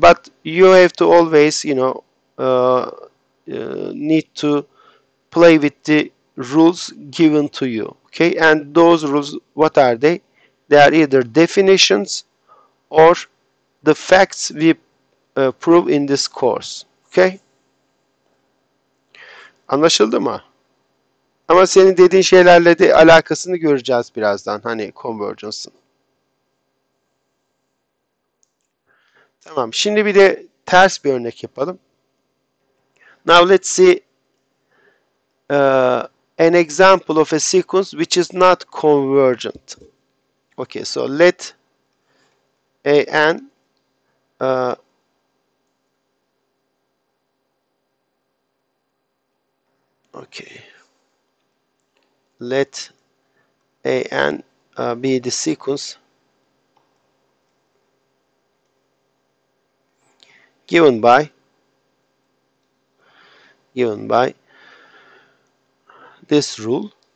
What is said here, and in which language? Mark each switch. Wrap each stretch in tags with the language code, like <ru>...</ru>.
<en>But you have to always, need to play with the rules given to you, okay? And those rules, what are they? They are either definitions or the facts we prove in this course, okay?</en> <tr>Anlaşıldı mı? Ama senin dediğin şeylerle de alakasını göreceğiz birazdan, hani convergence'ın. Tamam, şimdi bir de ters bir örnek yapalım.</tr> <en>Now let's see an example of a sequence which is not convergent. Okay, so let an let an be the sequence given by this rule.</en>